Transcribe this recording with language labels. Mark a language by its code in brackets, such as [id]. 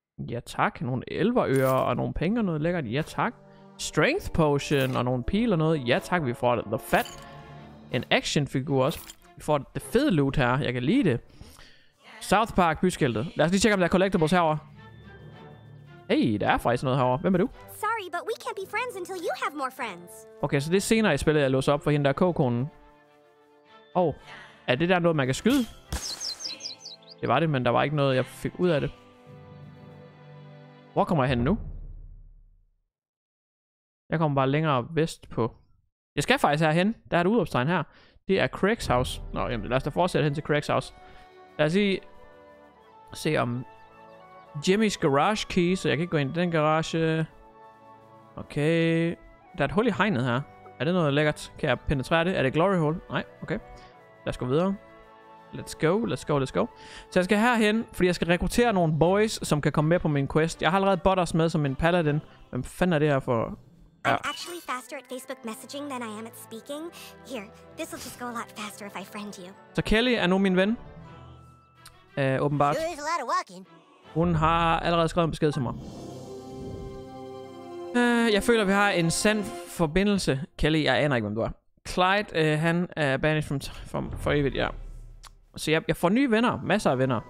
[da] Ja tak, nogle elverører og nogle penge og noget lækkert. Ja tak. Strength potion og nogle pil og noget. Ja tak, vi får [en] the fat. [da] En actionfigur også. Vi får det fede loot her, jeg kan lide det. South Park byskiltet. Lad os lige tjekke om der er collectibles herovre. Hey, der er faktisk noget herovre. Hvem er du? [en] Sorry, but we can't be friends until you have more friends. [da] Okay, så det er senere i spillet, jeg låser op for hende der kokonen. Og er det der noget, man kan skyde? Det var det, men der var ikke noget, jeg fik ud af det. Hvor kommer jeg hen nu? Jeg kommer bare længere vest på. Jeg skal faktisk herhen. Der er et udopstegn her. Det er Craig's house. Nå, jamen lad os da fortsætte hen til Craig's house. Lad os lige se om Jimmy's garage key, så jeg kan ikke gå ind i den garage. Okay. Der er et hul i hegnet her. Er det noget lækkert? Kan jeg penetrere det? Er det glory hole? Nej, okay. Lad os gå videre. [en] Let's go. [da] Så jeg skal herhen, fordi jeg skal rekruttere nogle boys, som kan komme med på min quest. Jeg har allerede Butters med som en paladin. Hvem fanden er det her for? Ja. [en] I'm actually faster at Facebook messaging than I am at speaking. Here, this will just go a lot faster if I friend you. [da] Så Kelly er nu min ven. Åbenbart. Hun har allerede skrevet en besked til mig. Jeg føler, vi har en sand forbindelse. Kelly, jeg aner ikke, hvem du er. Clyde, han er banished for evigt, ja. Så jeg får nye venner, masser af venner.